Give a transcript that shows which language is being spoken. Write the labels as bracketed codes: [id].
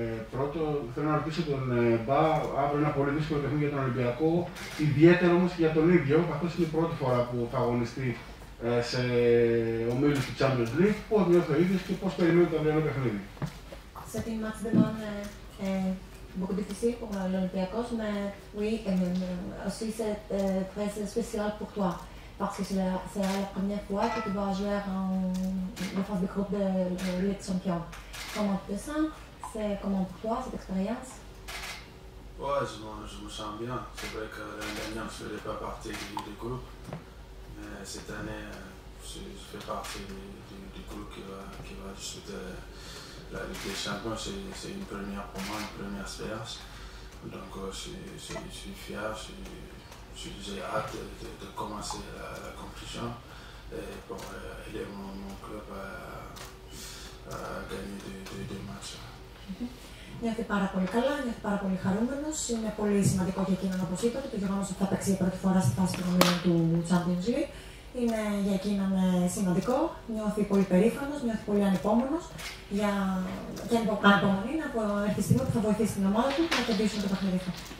[el] Πρώτο, θέλω να ρωτήσω τον Μπα, αύριο ένα πολύ δύσκολο παιχνίδι για τον Ολυμπιακό, ιδιαίτερα όμως για τον ίδιο, καθώς είναι η πρώτη φορά που θα αγωνιστεί σε ομίλους του Champions League, πώς νιώθει ο ίδιος και πώς περιμένει το αυριανό παιχνίδι. Σε την [fr] match de bon, beaucoup difficile pour l'Olympiakos, mais oui, aussi c'est très spécial pour toi, parce que c'est la première fois que tu vas jouer en phase de groupe de Ligue des Champions. Comment tu te sens? C'est comment pour toi cette expérience? Ouais, je me sens bien. C'est vrai que l'année dernière, je ne faisais pas partie du groupe. Mais cette année, je fais partie du groupe qui va disputer la Ligue des Champions. C'est une première pour moi, une première expérience. Donc, je suis fier, j'ai hâte de commencer la compétition et pour aider mon club à gagner deux matchs. [el] Νιώθει πάρα πολύ καλά, νιώθει πάρα πολύ χαρούμενος. Είναι πολύ σημαντικό για εκείνον, όπως είπατε, το γεγονός ότι θα παίξει για πρώτη φορά στη φάση προμήλων του Champions League. Είναι για εκείνον σημαντικό. Νιώθει πολύ περήφανος, νιώθει πολύ ανυπόμονος. Για να υπομονή να έρθει στιγμή που θα βοηθήσει την ομάδα του και να κερδίσουν το παιχνίδι του.